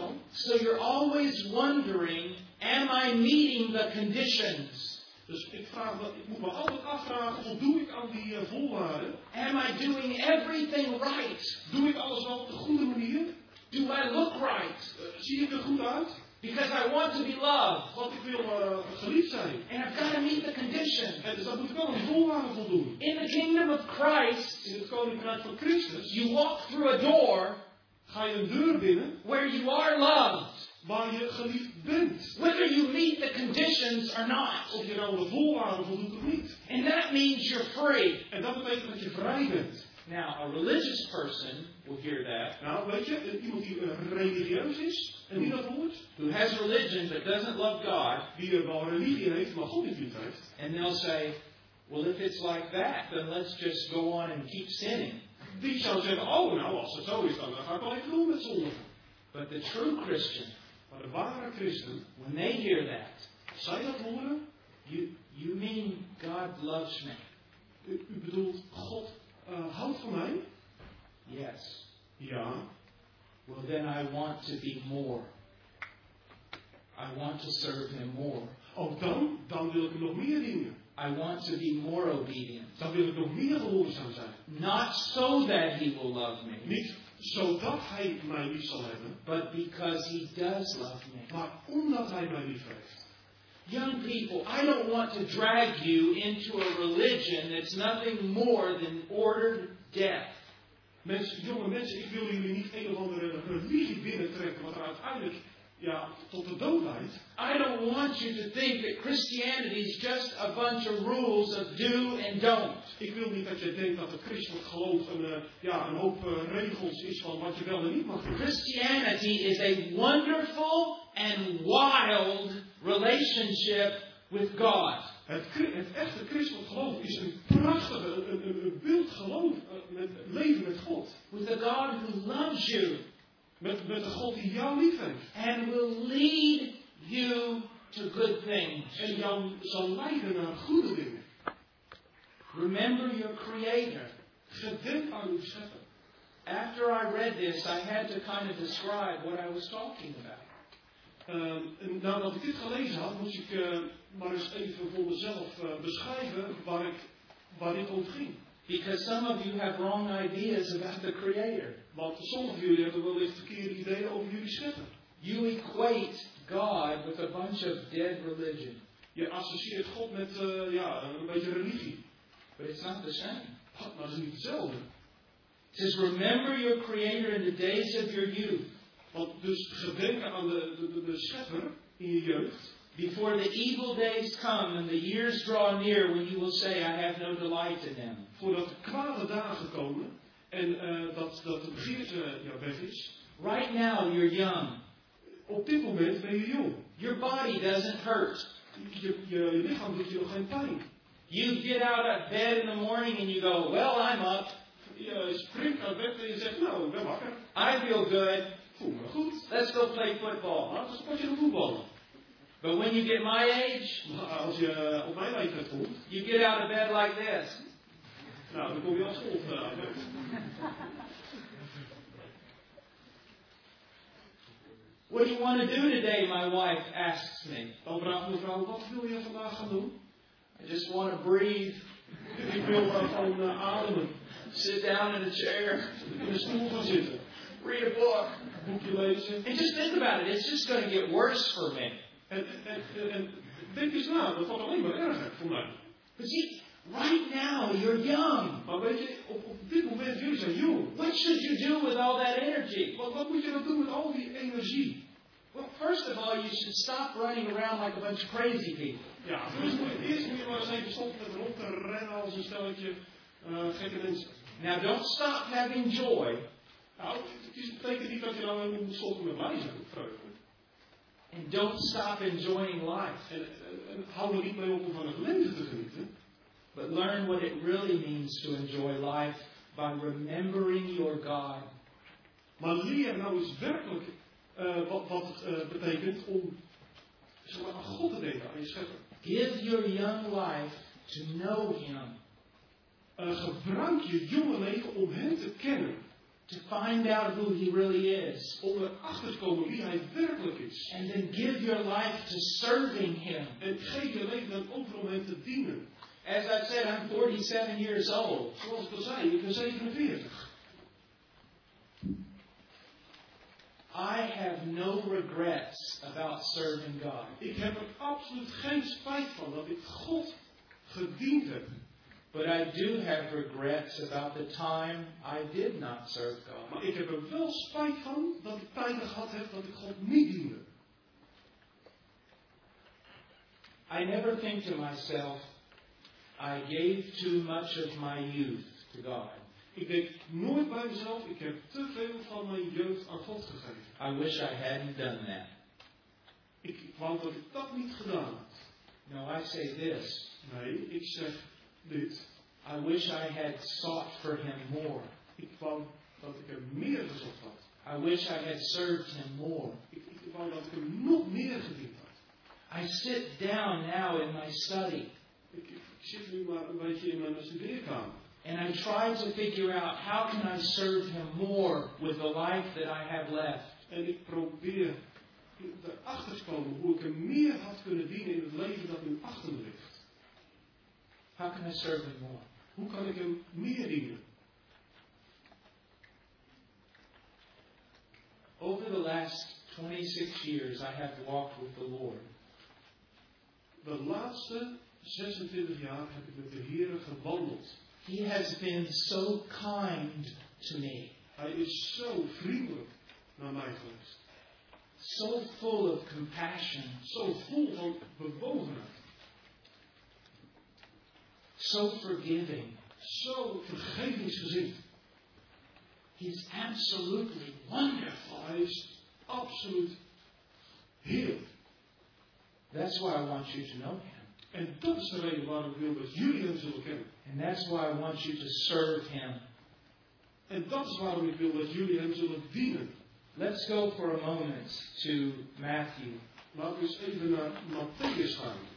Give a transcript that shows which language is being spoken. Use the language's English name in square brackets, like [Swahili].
[English] So you're always wondering, am I meeting the conditions? [Dutch] Dus ik moet me altijd afvragen, voldoe ik aan die voorwaarden? [English] Am I doing everything right? [Dutch] Doe ik alles wel op de goede manier? [English] Do I look right? [Dutch] Zie ik er goed uit? [English] Because I want to be loved. [Dutch] Want ik wil geliefd zijn. [English] And I've got to meet the conditions. [Dutch] En dus dat moet ik wel aan de voorwaarden voldoen. [English] In the kingdom of Christ. [Dutch] In het koninkrijk van Christus. [English] You walk through a door. [Dutch] Ga je een deur binnen. [English] Where you are loved. [Dutch] Waar je geliefd bent. [English] Whether you meet the conditions or not. [Dutch] Of je nou de voorwaarden voldoet of niet. [English] And that means you're free. [Dutch] En dat betekent dat je vrij bent. [English] Now, a religious person will hear that. [Dutch] Nou, weet je, iemand die religieus is en die dat hoort. [English] Who has religion but doesn't love God. [Dutch] Die er wel religie heeft, maar God niet lief heeft. [English] And they'll say, well, if it's like that, then let's just go on and keep sinning. [Dutch] Die zou zeggen, oh, nou, als het zo is, dan ga ik wel even doen met zonde. [English] But the true Christian. [Dutch] Maar de ware Christen. [English] When they hear that. [Dutch] Als zij dat horen. [English] You mean, God loves me. [Dutch] U bedoelt, God houdt van mij? [English] Yes. [Dutch] Ja. [English] Well, then I want to be more. I want to serve him more. [Dutch] Oh, dan wil ik hem nog meer dienen. [English] I want to be more obedient. [Dutch] Dan wil ik nog meer gehoorzaam zijn. [English] Not so that he will love me. [Dutch] Niet zodat hij mij lief zal hebben. [English] But because he does love me. [Dutch] Maar omdat hij mij lief heeft. [English] Young people, I don't want to drag you into a religion that's nothing more than ordered death. [Dutch] Jonge mensen, ik wil jullie niet een of andere religie binnentrekken wat er uiteindelijk ja, tot de dood leidt. [English] I don't want you to think that Christianity is just a bunch of rules of do and don't. [Dutch] Ik wil niet dat je denkt dat het christelijk geloof een hoop regels is van wat je wel en niet mag doen. [English] Christianity is a wonderful and wild relationship with God. [Dutch] Het echte christelijk geloof is een prachtige, een wild geloof met leven met God. [English] With a God who loves you. [Dutch] Met de God die jou lief heeft. [English] And will lead you to good things. [Dutch] En jou zal leiden naar goede dingen. [English] Remember your creator. [Dutch] Gedenk aan uw schepper. [English] After I read this, I had to kind of describe what I was talking about. [Dutch] Nadat ik dit gelezen had, moest ik maar eens even voor mezelf beschrijven waar dit om ging. [English] Because some of you have wrong ideas about the Creator. [Dutch] Want sommige van jullie hebben wellicht verkeerde ideeën over jullie schepper. [English] You equate God with a bunch of dead religion. [Dutch] Je associeert God met een beetje religie. [English] But it's not the same. [Dutch] Maar dat is niet hetzelfde. [English] It says, remember your Creator in the days of your youth. [Dutch] Want dus gedenken aan de schepper in je jeugd. [English] Before the evil days come and the years draw near when you will say, I have no delight in them. [Dutch] Voordat de kwade dagen komen en dat de begeerte weg is. [English] Right now you're young. [Dutch] Op dit moment ben je jong. [English] Your body doesn't hurt. [Dutch] Je lichaam doet je nog geen pijn. [English] You get out of bed in the morning and you go, well, I'm up. [Dutch] Je springt uit bed en je zegt, nou, ik ben wakker. [English] I feel good. [Dutch] Voel me goed. [English] Let's go play football. [Dutch] Laten we een potje voetballen. [English] But when you get my age, [Dutch] als je op mijn leeftijd komt, [English] you get out of bed like this. [Dutch] Nou, dan kom je als volgt uit. [English] What do you want to do today, my wife asks me. [Dutch] Dan vraagt mevrouw, wat wil je vandaag gaan doen? [English] I just want to breathe. [Dutch] Ik wil gewoon ademen. [English] Sit down in a chair. [Dutch] In een stoel gaan zitten. [English] Read a book. [Dutch] Een boekje lezen. [English] And just think about it, it's just going to get worse for me. [Dutch] En denk eens na, dat valt alleen maar erger voor mij. [English] But see, right now, you're young. [Dutch] Maar weet je, op dit moment, jullie zijn jong. [English] What should you do with all that energy? [Dutch] Wat moet je dan doen met al die energie? [English] Well, first of all, you should stop running around like a bunch of crazy people. [Dutch] Ja, eerst moet je maar eens even stoppen met rond te rennen als een stelletje gekke mensen. [English] Now, don't stop having joy. [Dutch] Nou, het betekent niet dat je dan moet stoppen met mij zijn, vreugde. [English] And don't stop enjoying life. [Dutch] En hou er niet mee op om van het leven te genieten. [English] But learn what it really means to enjoy life by remembering your God. [Dutch] Maar leer nou eens werkelijk wat het betekent om zeg maar, aan God te denken, aan je schepper. [English] Give your young life to know Him. [Dutch] Gebruik je jonge leven om Hem te kennen. [English] To find out who He really is. [Dutch] Om erachter te komen wie Hij werkelijk is. [English] And then give your life to serving Him. [Dutch] En geef je leven dan over om Hem te dienen. [English] As I said, I'm 47 years old. [Dutch] Zoals ik al zei, ik ben 47. [English] I have no regrets about serving God. [Dutch] Ik heb er absoluut geen spijt van dat ik God gediend heb. [English] But I do have regrets about the time I did not serve God. [Dutch] Maar ik heb er wel spijt van dat ik tijd gehad heb dat ik God niet diende. [English] I never think to myself, I gave too much of my youth to God. [Dutch] Ik denk nooit bij mezelf, ik heb te veel van mijn jeugd aan God gegeven. [English] I wish I hadn't done that. [Dutch] Ik wou dat ik dat niet gedaan had. [English] No, I say this. [Dutch] Nee, ik zeg dit. [English] I wish I had sought for Him more. [Dutch] Ik wou dat ik er meer gezocht had. [English] I wish I had served Him more. [Dutch] Ik wou dat ik er nog meer gediend had. [English] I sit down now in my study. [Dutch] Ik zit nu maar een beetje in mijn studeerkamer. [English] And I try to figure out how can I serve Him more with the life that I have left. [Dutch] En ik probeer erachter te komen hoe ik Hem meer had kunnen dienen in het leven dat nu achter me ligt. [English] How can I serve Him more? [Dutch] Hoe kan ik Hem meer dienen? [English] Over the last 26 years I have walked with the Lord. [Dutch] De laatste 26 jaar heb ik met de Heere gewandeld. [English] He has been so kind to me. [Dutch] Hij is zo vriendelijk naar mij geweest. [English] So full of compassion. [Dutch] Zo vol van bewogenheid. [English] So forgiving. [Dutch] Zo vergevingsgezind. [English] He's absolutely wonderful. [Dutch] Hij is absoluut heerlijk. [English] That's why I want you to know Him. [Dutch] En dat is de reden waarom ik wil dat jullie Hem zullen kennen. [English] And that's why I want you to serve Him. [Dutch] En dat is waarom ik wil dat jullie Hem zullen dienen. [English] Let's go for a moment to Matthew. [Dutch] Laten we eens even naar Matthäus gaan.